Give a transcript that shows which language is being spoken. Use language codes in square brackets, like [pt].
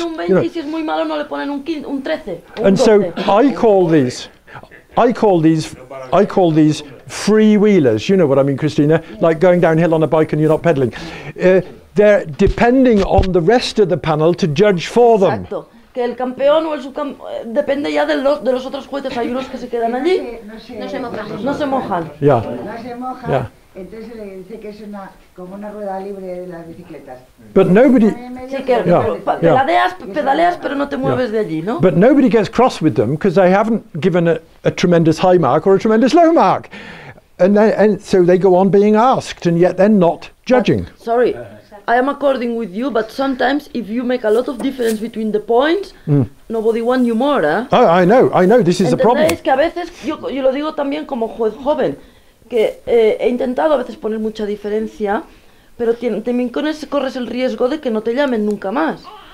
[en] you know. [es] Si es muy malo, no le ponen un 13. [en] And so I call these freewheelers. You know what I mean, Christina? Like going downhill on a bike and you're not pedaling. They're depending on the rest of the panel to judge for them. [es] Exacto. Que el campeón o el subcampeón depende ya de los otros jueces. Hay unos que se quedan allí. No se mojan. [en] Yeah. [es] No se mojan. [en] Yeah. [es] Entonces se le dice que es una como una rueda libre de las bicicletas. [en] But nobody. [es] Sí, que pedaleas, pero no te mueves de allí, ¿no? [en] But nobody gets cross with them because they haven't given a tremendous high mark or a tremendous low mark, and so they go on being asked, and yet they're not judging. But, sorry, I am according with you, but sometimes if you make a lot of difference between the points, nobody wants you more, ¿eh? Oh, I know. This is the problem. [es] Entendéis que a veces yo lo digo también como juez joven. Que he intentado a veces poner mucha diferencia, pero también con eso corres el riesgo de que no te llamen nunca más.